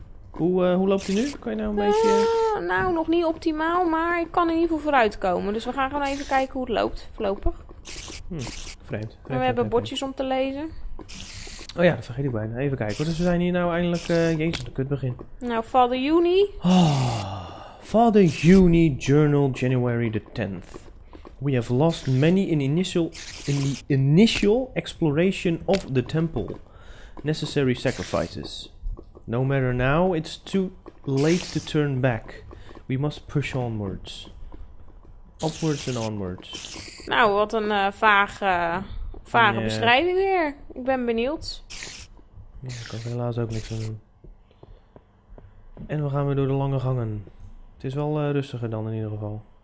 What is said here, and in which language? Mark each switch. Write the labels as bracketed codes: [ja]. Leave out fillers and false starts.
[nl] Hoe loopt die nu? Kan je nou een beetje... Nou, nog niet optimaal, maar ik kan in ieder geval vooruit komen. Dus we gaan gewoon even kijken hoe het loopt voorlopig. Vreemd. En we hebben bordjes om te lezen. Oh ja, dat vergeet ik bijna. Even kijken. Dus we zijn hier nou eindelijk... Jezus, een kutbegin. Nou, Father Juni. [en] Father Juni, Journal, January the 10th. We have lost many in the initial exploration of the temple. Necessary sacrifices. No matter now, it's too late to turn back. We must push onwards. Upwards and onwards. [nl] Nou, wat een vage beschrijving weer. Ik ben benieuwd. Ja, ik kan helaas ook niks aan doen. En we gaan weer door de lange gangen. Het is wel rustiger dan in ieder geval.